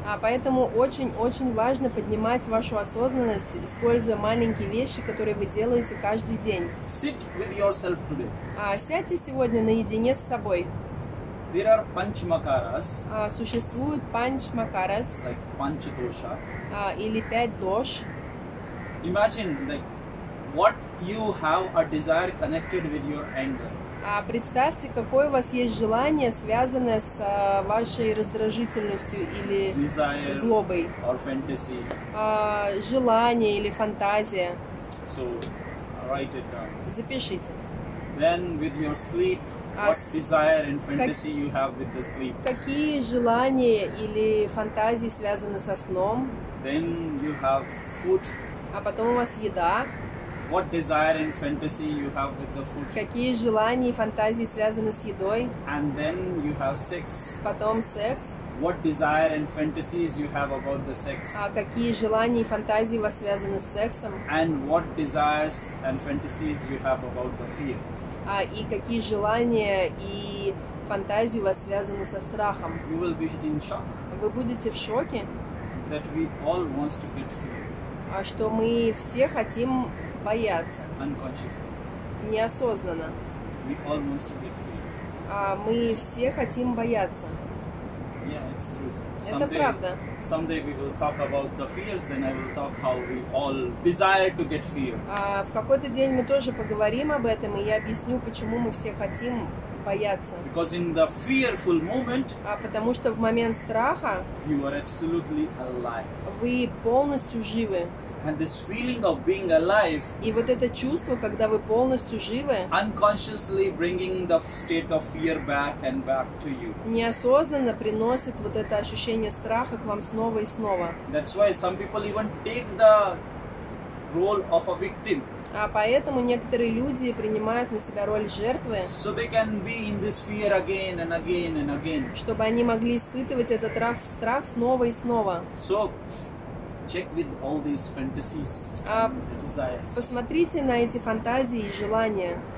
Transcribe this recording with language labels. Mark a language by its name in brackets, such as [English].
[Russian] Поэтому очень-очень важно поднимать вашу осознанность, используя маленькие вещи, которые вы делаете каждый день. [English] Sit with yourself today. [Russian] Сядьте сегодня наедине с собой. [English] There are panchmakaras. [Russian] Существуют панчмакарас. [English] Like панчдоша. [Russian] Или пять дош. [English] Imagine like what you have a desire connected with your anger. [Russian] Представьте, какое у вас есть желание, связанное с вашей раздражительностью или [English] desire [Russian] злобой. [English] Or fantasy. [Russian] Желание или фантазия. [English] So write it down. [Russian] Запишите. [English] Then with your sleep, what desire and fantasy you have with the sleep. [Russian] Какие желания или фантазии связаны со сном? [English] Then you have food. [Russian] А потом у вас еда. [English] What desire and fantasy you have with the food? [Russian] Какие желания и фантазии связаны с едой? [English] And then you have sex. [Russian] Потом секс. [English] What desire and fantasies you have about the sex? [Russian] Какие желания и фантазии у вас связаны с сексом? [English] And what desires and fantasies you have about the fear? [Russian] И какие желания и фантазии у вас связаны со страхом? [English] You will be in shock. [Russian] Вы будете в шоке. [English] That we all wants to get fear. [Russian] Что мы все хотим бояться. [English] Unconsciously. [Russian] Неосознанно. [English] We all wants to get fear. [Russian] Мы все хотим бояться. [English] Yeah, it's true. Someday, [Russian] это правда. [English] Someday we will talk about the fears, then I will talk how we all desire to get fear. [Russian] В какой-то день мы тоже поговорим об этом, и я объясню, почему мы все хотим бояться. [English] Because in the fearful moment, [Russian] потому что в момент страха [English] you are absolutely alive. [Russian] Вы полностью живы. [English] And this feeling of being alive, [Russian] и вот это чувство, когда вы полностью живы, [English] unconsciously bringing the state of fear back and back to you. [Russian] Неосознанно приносит вот это ощущение страха к вам снова и снова. [English] That's why some people even take the role of a victim. [Russian] Поэтому некоторые люди принимают на себя роль жертвы, [English] so they can be in this fear again and again and again. [Russian] Чтобы они могли испытывать этот страх снова и снова. [English] So, check with all these fantasies and desires. [Russian] Посмотрите на эти фантазии и желания.